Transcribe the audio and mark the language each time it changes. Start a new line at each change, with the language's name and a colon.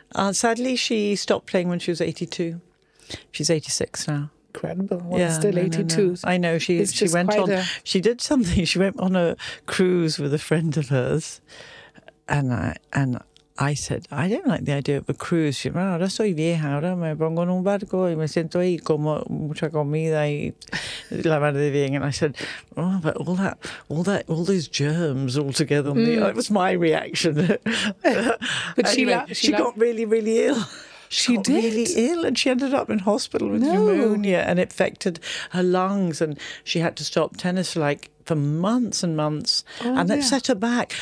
English: Sadly, she stopped playing when she was 82. She's 86 now. Incredible. Well, yeah, still 82. No. I know. She did something. She went on a cruise with a friend of hers. And I said, "I don't like the idea of a cruise." She said,
Spanish: "Ahora soy vieja, ahora me pongo en un barco y me siento ahí, como mucha comida y la madre de bien."
English: And I said, "Oh, but all those germs all together." That was my reaction. But anyway, she got really, really ill. she got really ill, and she ended up in hospital with pneumonia, and it affected her lungs, and she had to stop tennis like for months and months, and that set her back.